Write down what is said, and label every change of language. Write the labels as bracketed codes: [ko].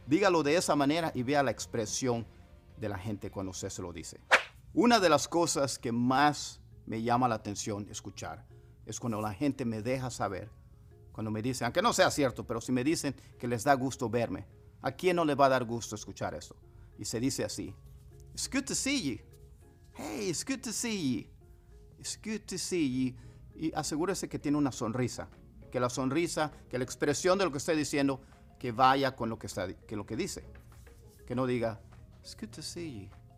[es] Dígalo de esa manera y vea la expresión de la gente cuando usted se lo dice. Una de las cosas que más me llama la atención escuchar es cuando la gente me deja saber, cuando me dicen, aunque no sea cierto, pero si me dicen que les da gusto verme, ¿a quién no le va a dar gusto escuchar esto? Y se dice así, [en] it's good to see you. Hey, it's good to see you. It's good to see you. [es] Y asegúrese que tiene una sonrisa. Que la sonrisa, que la expresión de lo que está diciendo, que vaya con lo que dice. Que no diga, [en] it's good to see you.